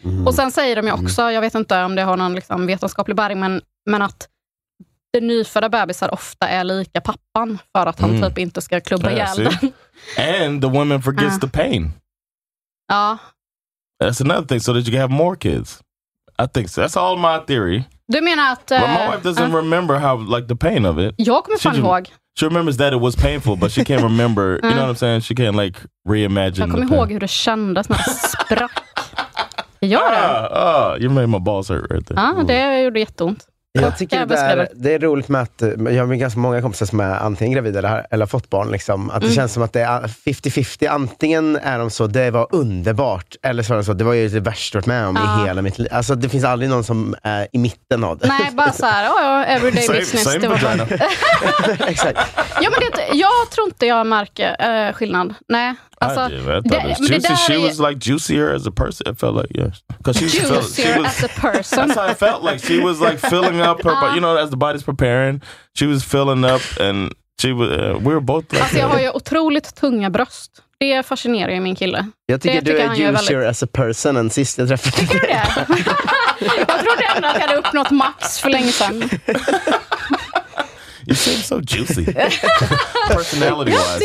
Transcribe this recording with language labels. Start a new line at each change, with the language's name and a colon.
Swedish: Och sen säger de ju också, jag vet inte om det har någon liksom vetenskaplig bäring, men att det nyfödda bebisar ofta är lika pappan för att han typ inte ska klubba ihjäl den.
English: And the woman forgets the pain.
Swedish: Ja.
English: That's another thing, so that you can have more kids. I think so. That's all my theory.
Swedish: Du menar att
English: my wife doesn't remember how like the pain of it.
Swedish: Jag kommer fan ihåg.
English: She remembers that it was painful, but she can't remember. You know what I'm saying? She can't like reimagine.
Swedish: Jag kommer ihåg hur det kändes när det sprack. Gör det?
English: You made my balls hurt right there.
Swedish: Ja, det gjorde jätteont. Jag tycker det är roligt med att jag har ganska många kompisar som är antingen gravida eller fått barn liksom, att det känns som att det är 50-50, antingen är de så det var underbart, eller så är de så det var ju det värsta jag med om i hela mitt liv. Alltså det finns aldrig någon som är i mitten av det. Nej, bara så här,
English: everyday same, business. Same vagina.
Swedish: Exakt. Ja, men det, jag tror inte jag märker skillnad. Nej.
English: Alltså, she was like juicier as a person. It felt like, yes. Juicier as a person. That's how I felt. Like she was like filling up her body. You know, as the body's preparing, she was filling up and she was, we were both like,
Swedish: alltså jag har ju otroligt tunga bröst. Det fascinerar ju min kille. Jag tycker det, du tycker är juicier väldigt...
English: as a person
Swedish: än sist jag träffade. Tycker du det? Jag trodde ändå att jag hade uppnått max för länge sedan.
English: You seem so juicy. Personality wise.